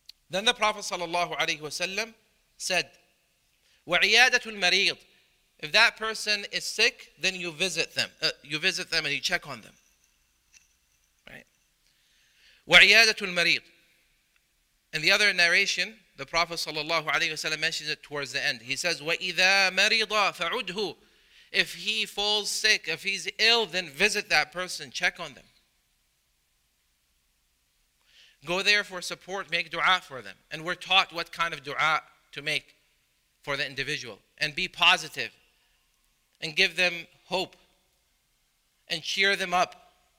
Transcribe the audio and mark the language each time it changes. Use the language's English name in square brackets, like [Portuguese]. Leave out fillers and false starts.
[English] Then the Prophet sallallahu alaihi wasallam said, [Arabic] وَعِيَادَةُ الْمَرِيضِ. [English] If that person is sick, then you visit them. You visit them and you check on them. Right. [Arabic] وَعِيَادَةُ الْمَرِيضِ. [English] In the other narration, the Prophet sallallahu alaihi wasallam mentions it towards the end. He says, [Arabic] وَإِذَا مَرِضَ فَعُدْهُ. [English] If he falls sick, if he's ill, then visit that person, check on them. Go there for support, make dua for them. And we're taught what kind of dua to make for the individual. And be positive. And give them hope. And cheer them up.